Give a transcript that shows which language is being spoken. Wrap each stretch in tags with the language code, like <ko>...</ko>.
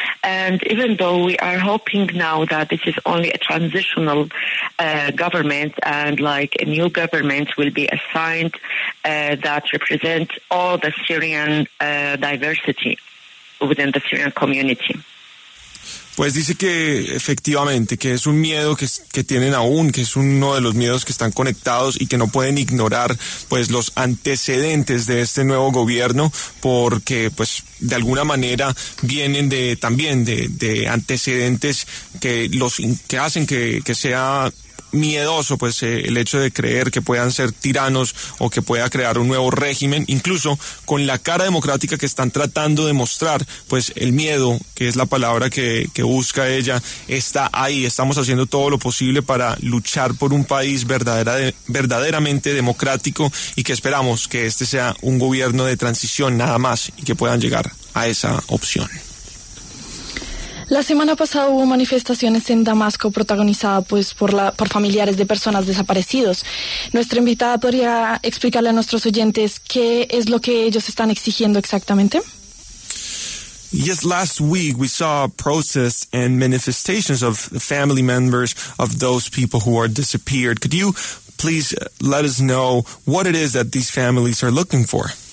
<en>And even though we are hoping now that this is only a transitional government, and like a new government will be assigned that represents all the Syrian diversity within the Syrian community.</en> <es>Pues dice que efectivamente, que es un miedo que tienen aún, que es uno de los miedos que están conectados y que no pueden ignorar, pues, los antecedentes de este nuevo gobierno, porque, pues, de alguna manera vienen de también de antecedentes que los que hacen que sea miedoso, pues, el hecho de creer que puedan ser tiranos o que pueda crear un nuevo régimen, incluso con la cara democrática que están tratando de mostrar, pues el miedo, que es la palabra que busca ella, está ahí. Estamos haciendo todo lo posible para luchar por un país verdaderamente democrático y que esperamos que este sea un gobierno de transición nada más y que puedan llegar a esa opción. La semana pasada hubo manifestaciones en Damasco protagonizadas pues por familiares de personas desaparecidos. Nuestra invitada podría explicarle a nuestros oyentes qué es lo que ellos están exigiendo exactamente.</es> <en>Yes, last week we saw protests and manifestations of family members of those people who are disappeared. Could you please let us know what it is that these families are looking for?</en>